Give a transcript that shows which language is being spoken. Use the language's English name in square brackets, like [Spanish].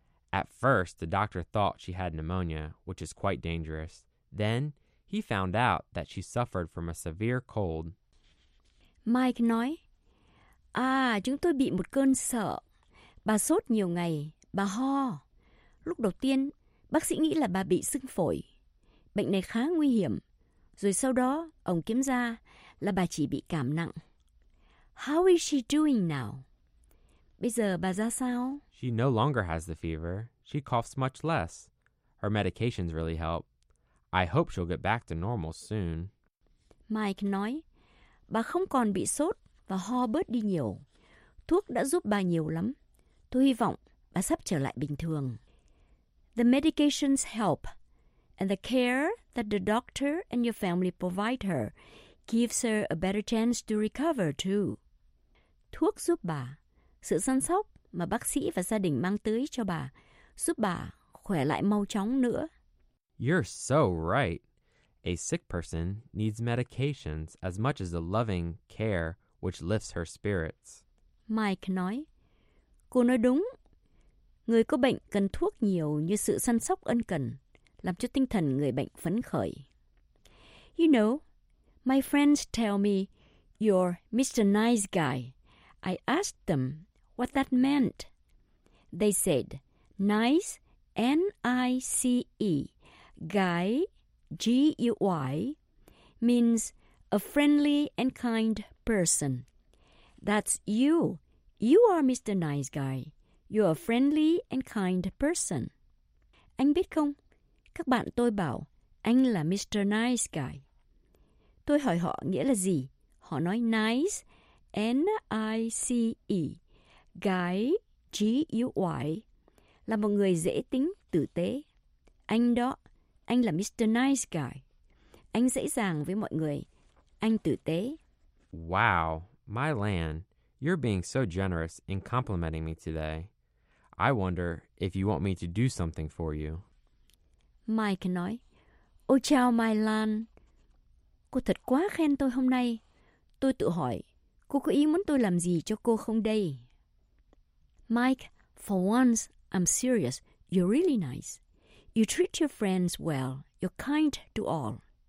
[English] At first, the doctor thought she had pneumonia, which is quite dangerous. Then, he found out that she suffered from a severe cold. [Vietnamese] Mike nói, À, chúng tôi bị một cơn sợ. Bà sốt nhiều ngày, bà ho. Lúc đầu tiên, bác sĩ nghĩ là bà bị sưng phổi. Bệnh này khá nguy hiểm. Rồi sau đó, ông kiểm ra là bà chỉ bị cảm nặng. [English] How is she doing now? [Vietnamese] Bây giờ bà ra sao? [English] She no longer has the fever. She coughs much less. Her medications really help. I hope she'll get back to normal soon. [Vietnamese] Mike nói, bà không còn bị sốt và ho bớt đi nhiều. Thuốc đã giúp bà nhiều lắm. Tôi hy vọng bà sắp trở lại bình thường. [English] The medications help, and the care that the doctor and your family provide her gives her a better chance to recover too. [Vietnamese] Thuốc giúp bà, sự săn sóc mà bác sĩ và gia đình mang tới cho bà, giúp bà khỏe lại mau chóng nữa. [English] You're so right. A sick person needs medications as much as the loving care which lifts her spirits. [Vietnamese] Mike nói, cô nói đúng. Người có bệnh cần thuốc nhiều như sự săn sóc ân cần, làm cho tinh thần người bệnh phấn khởi. [English] You know, my friends tell me you're Mr. Nice Guy. I asked them what that meant. They said, nice, N-I-C-E, guy, G-U-Y, means a friendly and kind person. That's you. You are Mr. Nice Guy. You're a friendly and kind person. [Vietnamese] Anh biết không? Các bạn tôi bảo, anh là Mr. Nice Guy. Tôi hỏi họ nghĩa là gì? Họ nói nice, N-I-C-E, guy, G-U-Y, là một người dễ tính, tử tế. Anh đó, anh là Mr. Nice Guy. Anh dễ dàng với mọi người. Anh tử tế. [English] Wow, my land, you're being so generous in complimenting me today. I wonder if you want me to do something for you. [Vietnamese] Mike nói, Ôi chào My Lan, cô thật quá khen tôi hôm nay. Tôi tự hỏi, cô có ý muốn tôi làm gì cho cô không đây? [English] Mike, for once, I'm serious. You're really nice. You treat your friends well. You're kind to all.